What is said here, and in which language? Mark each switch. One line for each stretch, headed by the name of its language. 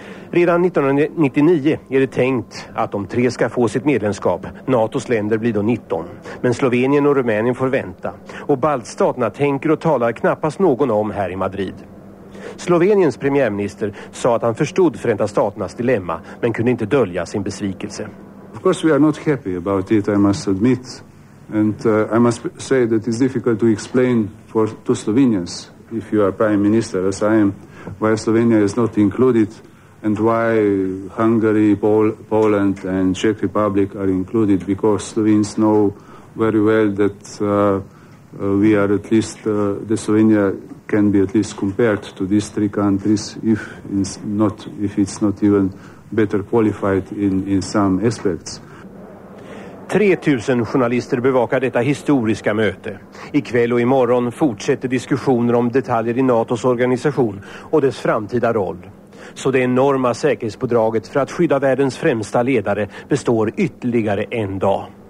Swedish: Redan 1999 är det tänkt att de tre ska få sitt medlemskap. NATOs länder blir då 19. Men Slovenien och Rumänien får vänta. Och baltstaterna tänker och talar knappast någon om här i Madrid. Sloveniens premiärminister sa att han förstod Förenta staternas dilemma men kunde inte dölja sin besvikelse.
English: Of course we are not happy about it, I must admit. And I must say that it's difficult to explain to Slovenians if you are prime minister as I am, why Slovenia is not included. And why Hungary, Poland and Czech Republic are included, because Slovenes know very well that we are at least, the Slovenia can be at least compared to these three countries, if it's not even better qualified in some aspects.
Swedish: 3000 journalister bevakar detta historiska möte. Ikväll och imorgon fortsätter diskussioner om detaljer i NATOs organisation och dess framtida roll. Så det enorma säkerhetspådraget för att skydda världens främsta ledare består ytterligare en dag.